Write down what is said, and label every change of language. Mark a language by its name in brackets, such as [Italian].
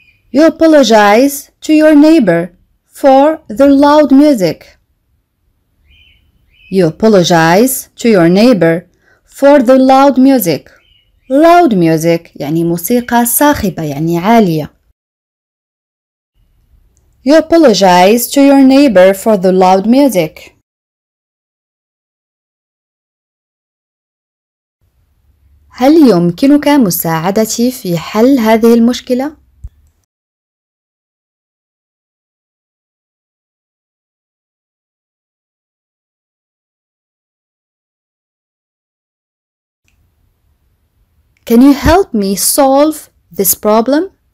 [English] You apologize to your neighbor for the loud music. You apologize to your neighbor for the loud music. Loud music [Arabic] يعني موسيقى صاخبة يعني عالية. [English] You apologize to your neighbor for the loud music. [Arabic] هل يمكنك مساعدتي في حل هذه المشكلة؟ [English] Can you help me solve this problem?